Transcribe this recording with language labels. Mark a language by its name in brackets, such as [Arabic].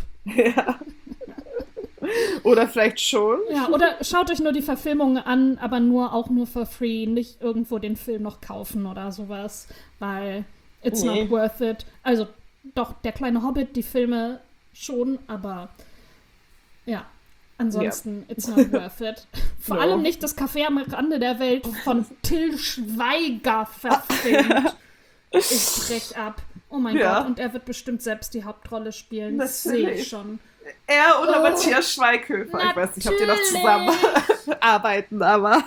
[German] Ja. Oder vielleicht schon. Ja, oder schaut euch nur die Verfilmung an, aber nur auch nur [English] for free. [German] Nicht irgendwo den Film noch kaufen oder sowas, weil [English] it's not worth it. [German] Also doch, Der kleine Hobbit, die Filme schon, aber ja. [English] Ansonsten, it's not worth it. [German] Vor allem nicht das Café am Rande der Welt von Till Schweiger verfilmt. Ich brech ab. Oh mein Gott, und er wird bestimmt selbst die Hauptrolle spielen. Das sehe ich schon. Er oder Matthias Schweighöfer. Natürlich. Ich weiß nicht, ob die noch zusammen arbeiten, aber...